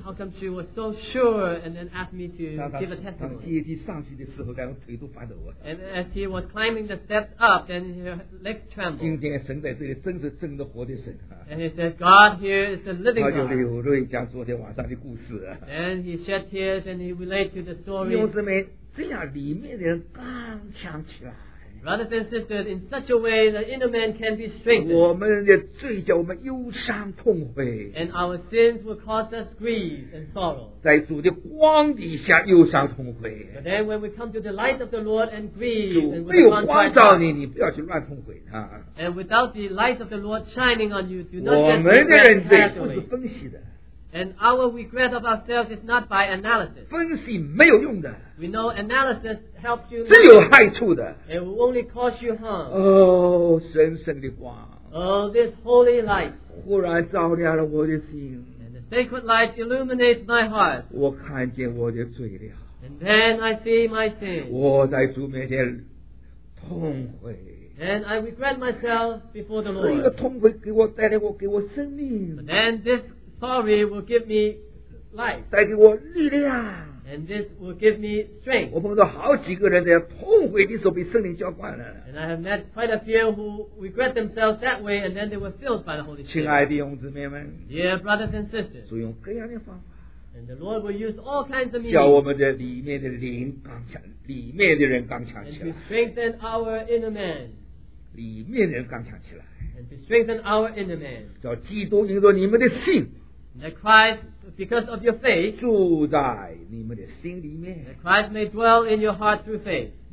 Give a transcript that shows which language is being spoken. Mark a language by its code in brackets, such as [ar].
[en] How come she was so sure and then asked me to give a testimony? [zh] 当阶梯上去的时候，感觉腿都发抖啊。 [en] And as he was climbing the steps up, then her legs trembled. [zh] 今天神在这里真是真的活的神啊。 [en] And he said, God here is the living God. [zh] 他就流泪讲昨天晚上的故事。 [en] And he shed tears and he related to the story. [zh] 弟兄姊妹，这样里面的人刚强起来。 [en] Brothers and sisters, in such a way the inner man can be strengthened. [zh] 我们的罪叫我们忧伤痛悔, [en] and our sins will cause us grief and sorrow. [zh] 在主的光底下忧伤痛悔, [en] but then when we come to the light of the Lord and grieve, and without the light of the Lord shining on you, do not get regret. And our regret of ourselves is not by analysis. [zh] 分析没有用的, [en] we know analysis helps you. [zh] 只有害处的, [en] it will only cause you harm. [zh] Oh, 神圣的光, [en] oh, this holy light. [zh] 忽然照亮了我的心, [en] and the sacred light illuminates my heart. [zh] 我看见我的罪了, [en] and then I see my sin. [zh] 我在主面前痛悔, [en] and I regret myself before the Lord. [zh] 这个痛悔给我带来我给我生命, [en] but then this sorry will give me life. [zh] 带给我力量, [en] and this will give me strength. [zh] 我碰到好几个人在痛悔的时候被圣灵浇灌了, [en] and I have met quite a few who regret themselves that way, and then they were filled by the Holy Spirit. [zh] 亲爱的弟兄姊妹们, [en] dear brothers and sisters, [zh] 主用各样的方法, [en] and the Lord will use all kinds of means, [zh] 叫我们的里面的灵刚强, 里面的人刚强起来, [en] and to strengthen our inner man. [zh] 里面的人刚强起来, [en] and to strengthen our inner man. [zh] 叫基督因着你们的信, [en] that Christ, because of your faith, [zh] 住在你们的心里面, [en] that Christ may dwell in your heart through faith.